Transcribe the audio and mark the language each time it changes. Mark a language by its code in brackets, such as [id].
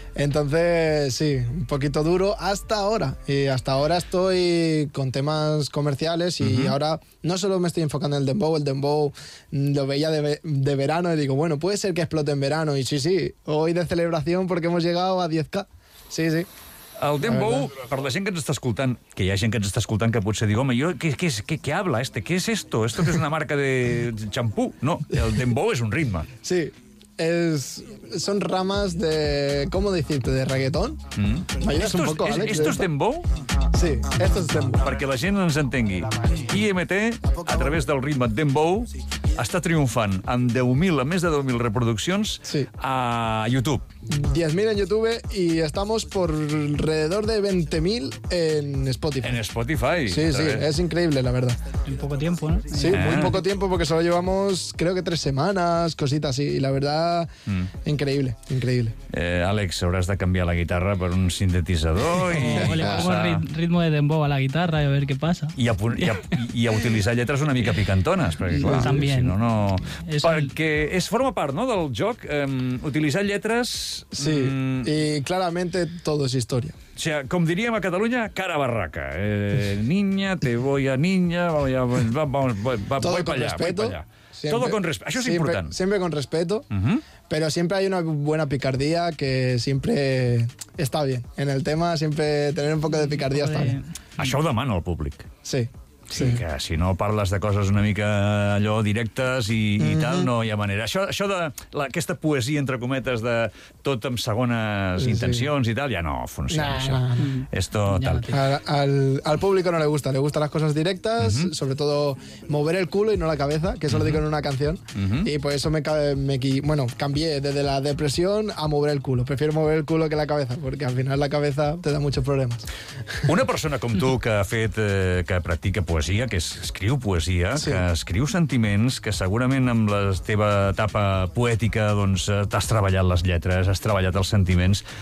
[es] Entonces, sí, un poquito duro hasta ahora. Y hasta ahora estoy con temas comerciales y uh-huh. ahora no solo me estoy enfocando en el dembow lo veía de verano y digo, bueno, puede ser que explote en verano. Y sí, hoy de celebración porque hemos llegado a 10K. Sí, sí. [ca] El dembow, per la gent que ens està escoltant, que hi ha gent que ens està escoltant que potser diu, home, jo, [es] què habla este? ¿Qué es esto? ¿Esto que es una marca de xampú? [ca] No, el dembow és un ritme. [es] Sí, son ramas de, ¿cómo decirte? De reggaetón. Mm. ¿Esto un poco, Alex, esto es dembow? Sí, esto es dembow. [ca] Perquè la gent ens entengui. IMT, a través del ritme dembow, està triomfant amb 10.000, amb més de 10.000 reproduccions sí. a YouTube. [es] 10.000 en YouTube y estamos por alrededor de 20.000 en Spotify. En Spotify. Sí, sí, es increíble, la verdad. En poco tiempo, ¿no? Sí, muy poco tiempo porque solo llevamos, creo que 3 semanas, cositas así, y la verdad, increíble, increíble. [ca] Àlex, hauràs de canviar la guitarra per un sintetitzador i... [es] Oh, li pongo ritmo de dembow a la guitarra i a ver [ca] què passa. I a utilitzar lletres una mica picantones, perquè clar, també. Si no, no... És perquè es forma part, no, del joc, utilitzar lletres. [es] Sí, y claramente todo es historia. O sea, como diríamos a Cataluña, cara barraca. Niña, te voy a niña, voy para allá. Todo con respeto. Todo con respeto. Eso es importante. Siempre con respeto, uh-huh. pero siempre hay una buena picardía que siempre está bien. En el tema, siempre tener un poco de picardía está bien. [ca] Això ho demano al públic. Sí. Sí. Que si no parles de coses una mica allò directes i, mm-hmm. i tal, no hi ha manera. Això de aquesta poesia, entre cometes, de tot amb segones sí, intencions sí. i tal, ja no funciona, nah, això. Nah, [es] esto, ja tal. Al público no le gusta. Le gustan las cosas directas, mm-hmm. sobre todo mover el culo y no la cabeza, que eso mm-hmm. lo digo en una canción. Mm-hmm. Y por eso me cambié desde la depresión a mover el culo. Prefiero mover el culo que la cabeza, porque al final la cabeza te da muchos problemas. [ca] Una persona com tu que ha fet, que practica poesia, que escriu poesia, sí. que escriu sentiments, que segurament amb la teva etapa poètica doncs t'has treballat les lletres, has treballat els sentiments.